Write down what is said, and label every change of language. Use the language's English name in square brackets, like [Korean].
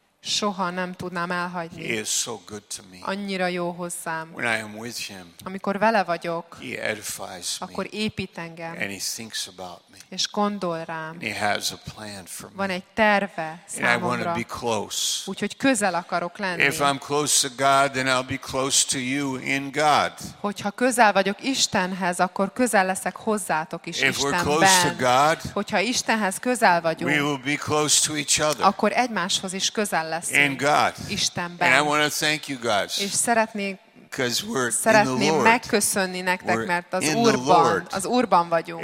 [Hungarian] Soha nem tudnám elhagyni. [English] He is so good to me. [Hungarian] Annyira jó hozzám. [English] When I am with him. [Hungarian] Amikor vele vagyok. [English] He edifies me. [Hungarian] Akkor épít engem. [English] And he thinks about me. [Hungarian] És gondol rám. [English] And he has a plan for me. [Hungarian] Van egy terve számomra. [English] And I want to be close. [Hungarian] Úgyhogy közel akarok lenni. [English] If I'm close to God, then I'll be close to you in God. [Hungarian] Hogyha közel vagyok Istenhez, akkor közel leszek hozzátok is [English] If [Hungarian] Istenben. [English] If we're close to God, [Hungarian] hogyha Istenhez közel vagyunk, [English] we will be close to each other. [Hungarian] Akkor egymáshoz is közel [English] In God. [Hungarian] Istenben. [English] And I want to thank you guys. [Hungarian] És szeretnék megköszönni nektek, mert az Úrban vagyunk.